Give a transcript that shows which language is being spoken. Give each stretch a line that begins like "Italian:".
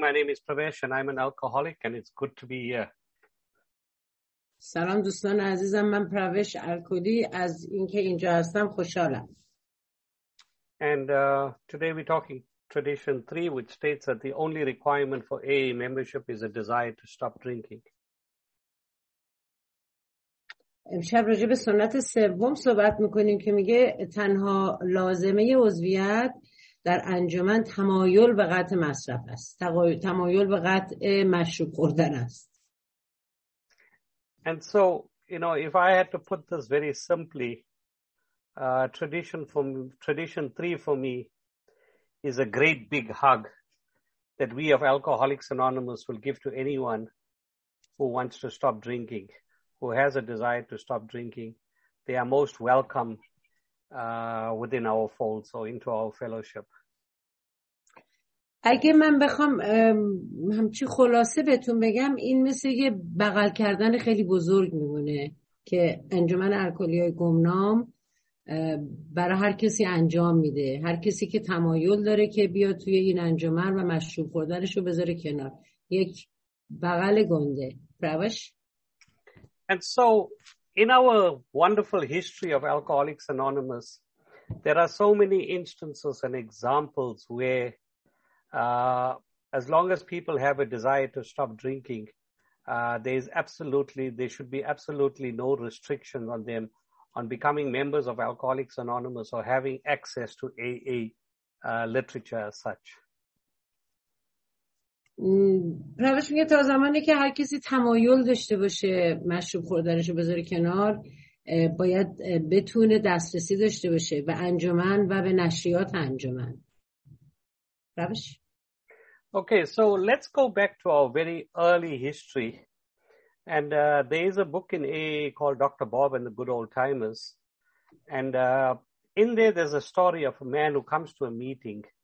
English: My name is Pravash and I'm an alcoholic and it's good to be here.
Persian: سلام دوستان عزیزم، من پرواش الکلی، از اینکه اینجا هستم خوشحالم.
English: And today we're talking tradition 3 which states that the only requirement for AA membership is a desire to stop drinking.
Persian: امشب راجع به سنت سوم صحبت می‌کنیم که میگه تنها لازمه عضویت در انجمن تمایل به قطع مصرف است. تمایل به قطع مشروب خوردن است.
English: And so, you know, if I had to put this very simply, tradition 3 for me is a great big hug that we of Alcoholics Anonymous will give to anyone who wants to stop drinking. Who has a desire to stop drinking, they are most welcome within our fold, so into our fellowship.
Persian: اگه من بخوام همچی خلاصه بهتون بگم، این مثل یه بغل کردن خیلی بزرگ میمونه که انجمن الکلی های گمنام برای هر کسی انجام میده، هر کسی که تمایل داره که بیا توی این انجمن و مشروب خوردنش رو بذاره کنار، یک بغل گنده. پرواش؟
English: And so, in our wonderful history of Alcoholics Anonymous, there are so many instances and examples where, as long as people have a desire to stop drinking, there should be absolutely no restriction on them on becoming members of Alcoholics Anonymous or having access to AA literature as such.
Persian: پروش میگه تا زمانی که هر کسی تمایل داشته باشه مشروب خوردنشو بذاره کنار، باید بتونه دسترسی داشته باشه به انجمن و به نشریات انجمن. پروش؟
English: Okay, so let's go back to our very early history. And there is a book in AA called Dr. Bob and the Good Old Timers. And in there, there's a story of a man who comes to a meeting.